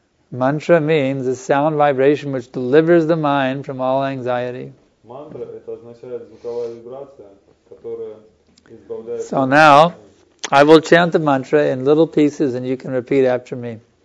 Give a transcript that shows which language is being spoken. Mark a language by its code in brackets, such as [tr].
[en] Mantra means a sound vibration which delivers the mind from all anxiety. [ru] Мантра это означает звуковая вибрация, которая избавляет. [en] So now, I will chant the mantra in little pieces, and you can repeat after me.